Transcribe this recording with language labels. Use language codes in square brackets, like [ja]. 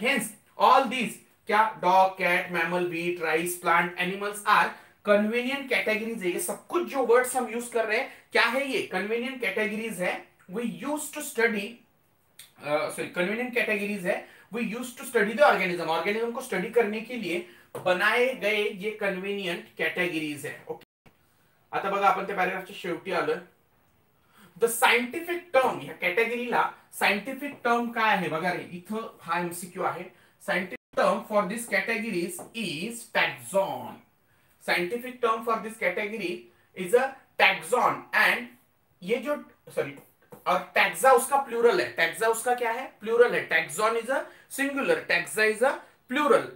[hi] Hence all these, क्या dog, cat, mammal, wheat, rice, plant, animals are convenient categories है। ये सब कुछ जो वर्ड्स हम यूज कर रहे हैं क्या है, ये कन्वीनियंट कैटेगरीज है we use to study, sorry convenient categories है [en] we use to study the organism, [hi] organism को स्टडी करने के लिए बनाए गए ये कन्वीनियंट कैटेगरीज है। [mr] ओके आता बघा आपण ते पॅराग्राफच्या शेवटी आलोय। द सायंटिफिक टर्म, या कॅटेगरीला सायंटिफिक टर्म काय आहे बघा रे, इथं हा एमसीक्यू आहे। [en] scientific term for this categories is taxon, scientific term for this category is a taxon, [hi] and ये जो सॉरी और टैक्सा उसका प्लूरल है, टैक्सा उसका क्या है प्लूरल है, taxon is a singular, taxa is a plural.